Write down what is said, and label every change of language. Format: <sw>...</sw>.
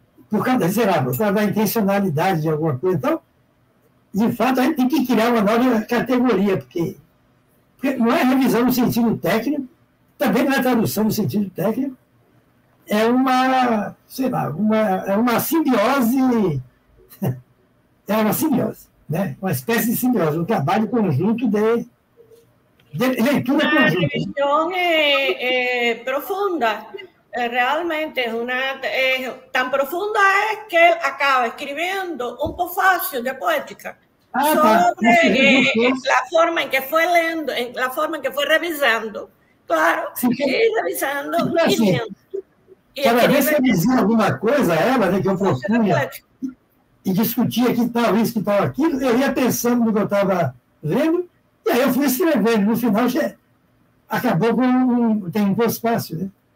<pt>Por causa, por causa da intencionalidade de alguma coisa. Então, de fato, a gente tem que criar uma nova categoria, porque não é revisão no sentido técnico, também não é tradução no sentido técnico, é uma, sei lá, uma simbiose, é uma simbiose, né? Uma espécie de simbiose, um trabalho conjunto de leitura a conjunta. A revisão é profunda.</pt> <es>Realmente es una tan profunda es que él acaba escribiendo un prefacio de poética sobre la forma en que fue leyendo, en la forma en que fue revisando, claro, sí. Y revisando y leyendo.</es> <pt>Cada vez que dizia alguma coisa, ela, né, que eu propunha e discutia que tal isso, que tal aquilo, eu ia pensando no que eu estava vendo, e aí eu fui escrevendo. No final já acabou com um prefacio, né?</pt>